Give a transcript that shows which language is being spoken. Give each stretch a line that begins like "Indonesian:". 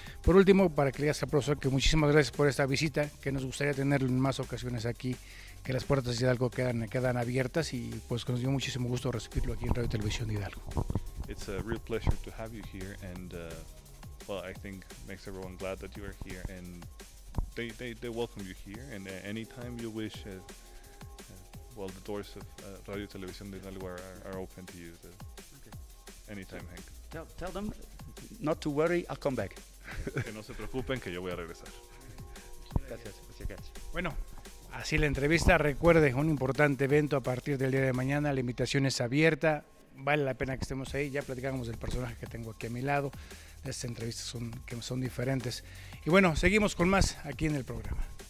Spanish: Por último, para que le digas al profesor que muchísimas gracias por esta visita, que nos gustaría tenerlo en más ocasiones aquí, que las puertas de Hidalgo quedan abiertas y pues que nos dio muchísimo gusto recibirlo aquí en Radio Televisión de Hidalgo.
English: It's a real pleasure to have you here and I think makes everyone glad that you are here and they welcome you here and anytime you wish, the doors of Radio Televisión de Hidalgo are open to you. Okay. Anytime, so Hank. Tell them not to worry, I'll come back.
Spanish: Que no se preocupen que yo voy a regresar. Gracias. Bueno, así la entrevista. Recuerde, un importante evento a partir del día de mañana, la invitación es abierta. Vale la pena que estemos ahí, ya platicamos del personaje que tengo aquí a mi lado. Estas entrevistas son diferentes. Y bueno, seguimos con más aquí en el programa.